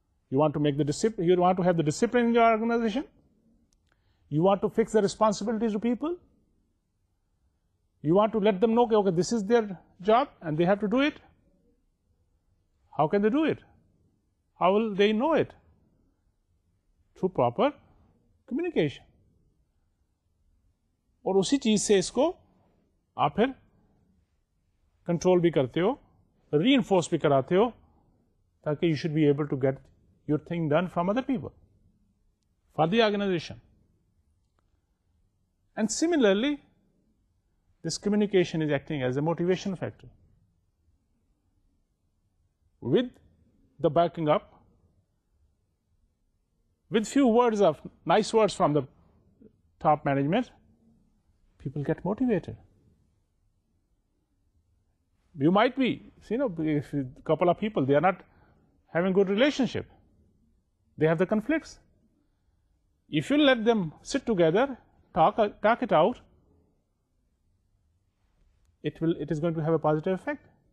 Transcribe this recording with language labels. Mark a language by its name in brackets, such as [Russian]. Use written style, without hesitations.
[English] You want to make the discipline, you want to have the discipline in your organization. You want to fix the responsibilities to people. You want to let them know, okay, this is their job and they have to do it. How can they do it? How will they know it? Through proper communication. [Urdu] اور اسی چیز سے اس کو آپ پھر control بھی کرتے ہو, ری enforce بھی کراتے ہو, تاکہ [English] You should be able to get your thing done from other people for the organisation. And similarly this communication is acting as a motivation factor with the backing up with few words of nice words from the top management people get motivated. You might be, see, you know, if a couple of people, they are not having good relationship. They have the conflicts. If you let them sit together, talk it out, it is going to have a positive effect.